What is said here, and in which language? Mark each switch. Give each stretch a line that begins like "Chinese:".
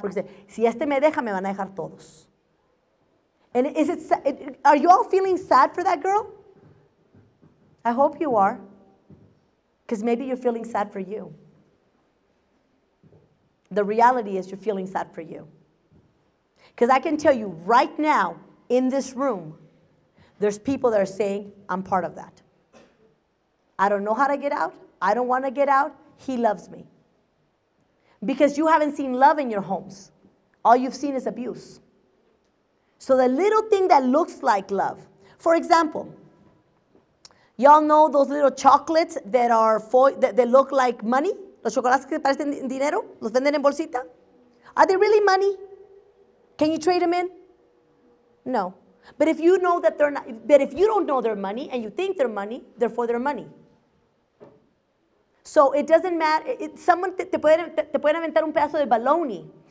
Spanish: Porque si este me deja, me van a dejar todos.
English: And is it? Are you all feeling sad for that girl? I hope you are. Because maybe you're feeling sad for you. The reality is you're feeling sad for you. Because I can tell you right now, in this room, there's people that are saying, I'm part of that. I don't know how to get out. I don't want to get out. He loves me. Because you haven't seen love in your homes. All you've seen is abuse. So the little thing that looks like love, for example, y'all know those little chocolates that are that look like money?
Spanish: Los chocolates que parecen dinero? Los venden en bolsita?
English: Are they really money? Can you trade them in? No. But if you know that they're not, but if you don't know they're money and you think they're money, they're for their money. So it doesn't matter.
Spanish: Someone te pueden aventar un pedazo de baloney.